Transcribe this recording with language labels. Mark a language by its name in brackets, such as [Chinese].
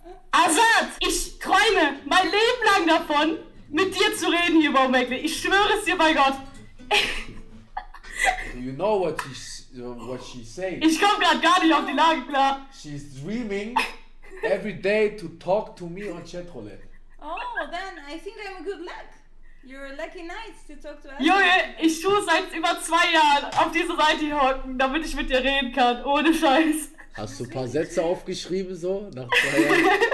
[German] Azad, ich träume mein Leben lang davon, mit dir zu reden hier, Baumeckle. Ich schwöre es dir bei Gott. [English] You know what she saying? [German] Ich komm grad gar nicht auf die Lage klar. [English] She's dreaming every day to talk to me on Chatroulette. Oh, then I think I'm a good luck. You're a lucky night to talk to us. [German] Junge, ich tue seit über 2 Jahren auf diese Seite hocken, damit ich mit dir reden kann, ohne Scheiß. Hast du ein paar Sätze aufgeschrieben so nach 2 Jahren?